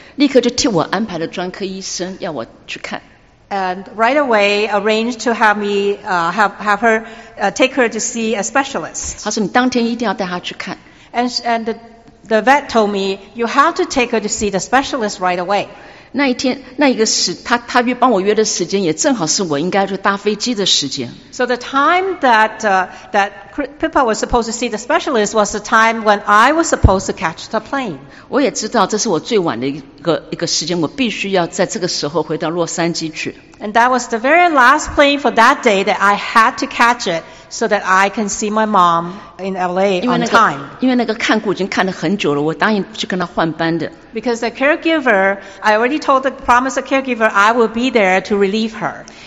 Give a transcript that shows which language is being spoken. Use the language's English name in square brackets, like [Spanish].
[Chinese] 立刻就替我安排了专科医生，要我去看。 [English] And right away arranged to have me take her to see a specialist. [Chinese] 他说你当天一定要带她去看。 [English] The vet told me, you have to take her to see the specialist right away. [Chinese] 那一天，那一个时，他约帮我约的时间也正好是我应该去搭飞机的时间。 [English] So the time that Pippa was supposed to see the specialist was the time when I was supposed to catch the plane. [Chinese] 我也知道这是我最晚的一个时间，我必须要在这个时候回到洛杉矶去。 [English] And that was the very last plane for that day that I had to catch it so that I can see my mom in LA on time. [Chinese] 因为那个看顾已经看了很久了，我答应去跟他换班的。 [English] Because the caregiver, I already told the promised caregiver I will be there to relieve her.